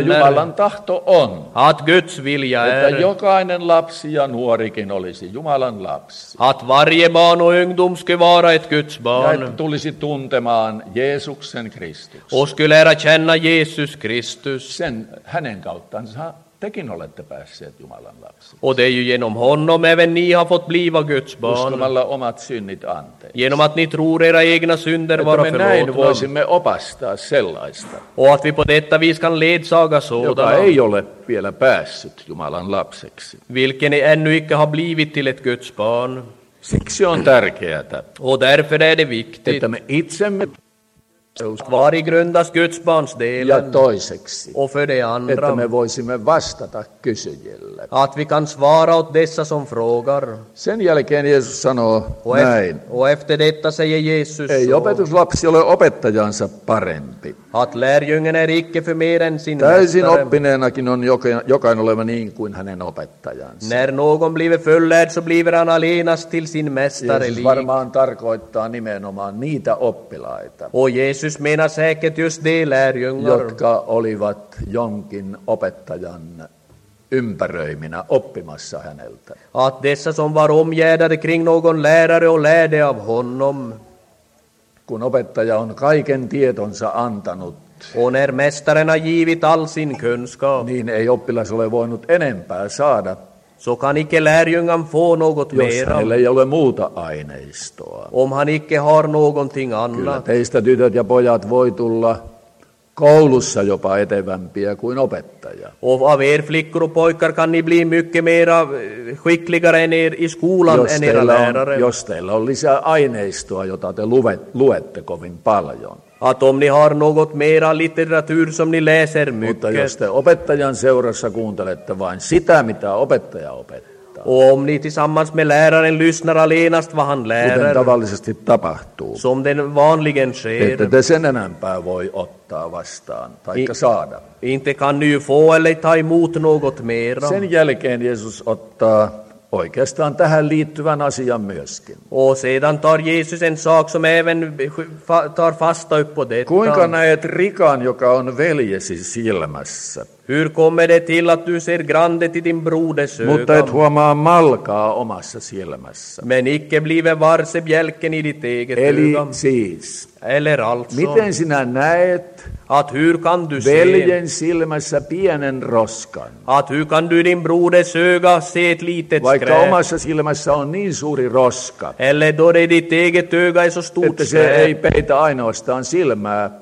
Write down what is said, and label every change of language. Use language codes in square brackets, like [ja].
[fi] Että Jumalan tahto on. [sv] Att Guds vilja [fi] että [sv] är. [fi] Että jokainen lapsi ja nuorikin olisi Jumalan lapsi. [sv] Att varje barn och ungdom skulle vara ett Guds barn. [fi] Ja, että tulisi tuntemaan Jeesuksen Kristus. [sv] Och skulle lära känna Jesus Kristus. [fi] Sen hänen kauttansa tekin olette päässeet Jumalan lapsi. [sv] Och det är ju genom honom även ni har fått bliva Guds barn. [fi] Uskomalla omat synnit anteeksi. [sv] Genom att ni tror era egna synder vara förlåtna. [fi] Me näin voisimme opastaa sellaista. [sv] Och att vi på detta vis kan ledsaga sådana. [fi] Joka ei ole vielä päässyt Jumalan lapseksi. [sv] Vilken ännu icke har blivit till ett Guds barn. [fi] Siksi on tärkeätä. [sv] Och därför är det viktigt. [fi] Että me itsemme. [sv] Vari grundas Guds barns delen. [fi] Ja toiseksi. [sv] Och för det andra. [fi] Että me voisimme vastata kysyjille. [sv] Att vi kan svara åt dessa som frågar. [fi] Sen jälkeen Jeesus sanoo näin. [sv] Och efter detta säger Jesus. [fi] Ei opetuslapsi ole opettajansa parempi. [sv] Att lärjungen är icke för mer än sin mästare. [fi] Täysin oppineenakin on jokainen oleva niin kuin hänen opettajansa. [sv] När någon blivit fullärd så blir han alenas till sin mästare lik. [fi] Jeesus varmaan tarkoittaa nimenomaan niitä oppilaita. [sv] Och Jeesus menar säkert just de lärjungar. [fi] Jotka olivat jonkin opettajan ympäröiminä oppimassa häneltä. [sv] Att dessa som var omgärdade kring någon lärare och lärde av honom. [fi] Kun opettaja on kaiken tietonsa antanut. [sv] Och när mästaren har givit all sin kunskap. [fi] Niin ei oppilas ole voinut enempää saada. [sv] Så kan icke lärjungan få något mera. [fi] Jos hänellä ei ole muuta aineistoa. [sv] Om han icke har någonting annat. [fi] Kyllä teistä tytöt ja pojat voi tulla koulussa jopa etevämpiä kuin opettaja. [sv] Och av er flickor och pojkar kan ni bli mycket mera skickligare än er i skolan än era lärare. [fi] Jos teillä on lisää aineistoa, jota te luette kovin paljon. [sv] Att om ni har något mera litteratur som ni läser mycket. [fi] Mutta jos te opettajan seurassa kuuntelette vain sitä, mitä opettaja opettaa. [sv] Och om ni tillsammans med läraren lyssnar alenast vad han lärer. [fi] Kuten tavallisesti tapahtuu. [sv] Som den vanligen sker. [fi] Ette te sen enempää voi ottaa vastaan, taikka saada. [sv] Inte kan ni få eller ta emot något mera. [fi] Sen jälkeen Jeesus ottaa oikeastaan tähän liittyvän asian myöskin. [sv] Och sedan tar Jesus en sak som även tar fasta upp på detta. [fi] Kuinka näet rikan, joka on veljesi silmässä? [sv] Hur kommer det till att du ser grandet i din broders ögon? [fi] Mutta et huomaa malkaa omassa silmässä. [sv] Men icke blive varse bjälken i ditt eget öga. [fi] Eli siis. [sv] Eller alltså. [fi] Miten sinä näet? [sv] Att hur kan du se? [fi] Veljen silmässä pienen roskan. [sv] Att hur kan du din broders öga se ett litet skräp? [fi] Vaikka omassa silmässä on niin suuri roska. [sv] Eller då det i ditt eget öga är så stort skräp. [fi] Että se ei peitä ainoastaan silmää.